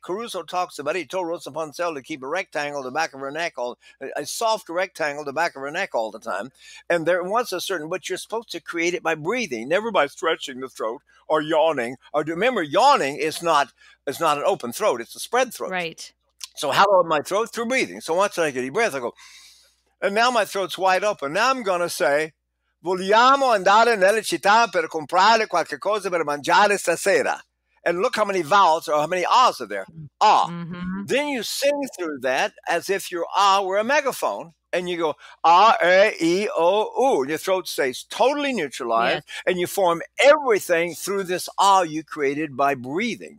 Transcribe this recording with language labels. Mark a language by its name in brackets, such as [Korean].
[English] Caruso talks about it. He told Rosa Ponselle to keep a rectangle the back of her neck, a soft rectangle the back of her neck all the time. And there was a certain, but you're supposed to create it by breathing, never by stretching the throat or yawning. Or remember, yawning is not an open throat. It's a spread throat. Right. So how about my throat? Through breathing. So once I get a deep breath, I go, and now my throat's wide open. Now I'm going to say, [Italian] vogliamo andare nelle città per comprare qualche cosa per mangiare stasera. [English] And look how many vowels or how many ahs are there. Ah. Mm-hmm. Then you sing through that as if your ah were a megaphone. And you go, ah, eh, e, o, ooh. Your throat stays totally neutralized. Yes. And you form everything through this ah you created by breathing.